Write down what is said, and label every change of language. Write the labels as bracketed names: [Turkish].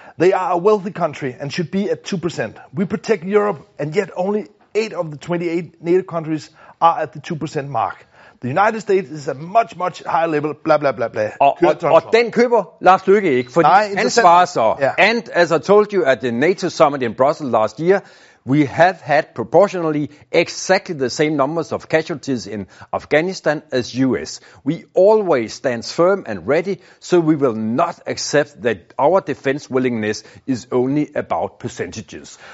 [English] They are a wealthy country and should be at 2%. We protect Europe, and yet only 8 of the 28 NATO countries are at the 2% mark. The United States is a much, much higher level, bla bla bla bla. [Danish] Og den køber Lars Løkke ikke, fordi han svarer så. [English] Yeah. And as I told you at the NATO summit in Brussels last year, we have had proportionally exactly the same numbers of casualties in Afghanistan as US. We always stand firm and ready, so we will not accept that our defense willingness is only about percentages.